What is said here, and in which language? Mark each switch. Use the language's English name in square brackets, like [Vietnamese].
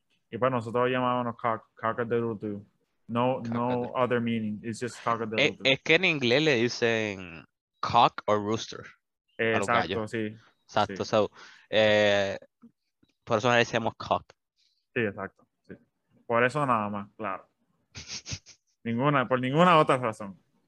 [Spanish] Y pues nosotros lo llamábamos cock-a-doodle-doo. [English] No other meaning, it's just cock-a-doodle-doo. [Spanish] Es que en inglés le dicen [English] cock or rooster. [Spanish] Exacto, sí. Exacto, sí. Por eso le decíamos cock. Sí, exacto. Sí. Por eso nada más, claro. Por ninguna otra razón.